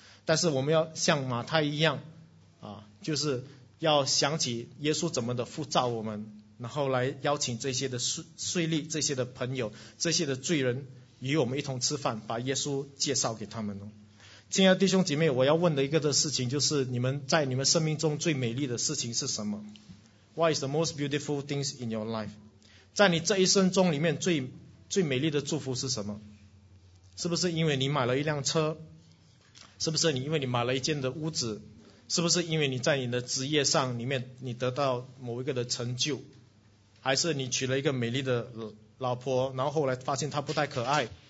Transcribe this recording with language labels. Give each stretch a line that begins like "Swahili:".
Chinese: 但是我们要像马太一样就是要想起耶稣怎么的呼召我们，然后来邀请这些的税吏、这些的朋友、这些的罪人与我们一同吃饭，把耶稣介绍给他们。亲爱的弟兄姐妹，我要问的一个的事情就是，你们在你们生命中最美丽的事情是什么？
English: What is the most beautiful things in your life?
Chinese: 在你这一生中里面最美丽的祝福是什么？是不是因为你买了一辆车？是不是因为你买了一间的屋子？是不是因为你在你的职业上里面你得到某一个的成就？还是你娶了一个美丽的老婆，然后后来发现她不太可爱？